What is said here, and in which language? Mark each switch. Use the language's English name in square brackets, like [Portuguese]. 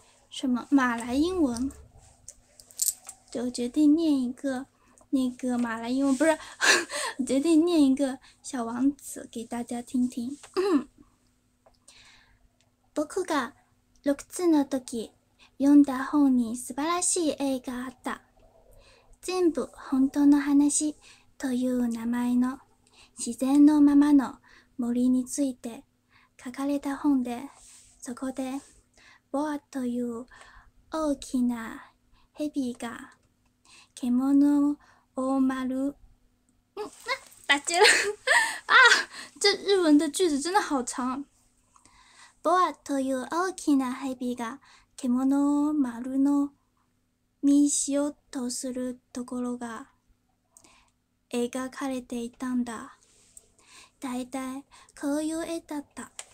[Chinese] 什么？马来英文？就决定念一个。那个马来英文不是，我决定念一个小王子给大家听听。 [Japanese] 僕が6つの時読んだ本に素晴らしい絵があった。全部本当の話という名前の自然のままの森について書かれた本で、そこでボアという大きな蛇が獣を大丸。 [Chinese] 打结了 这日文的句子真的好长。 [Japanese] ボアという大きな蛇が獣を丸の身にしようとするところが描かれていたんだ。だいたいこういう絵だった。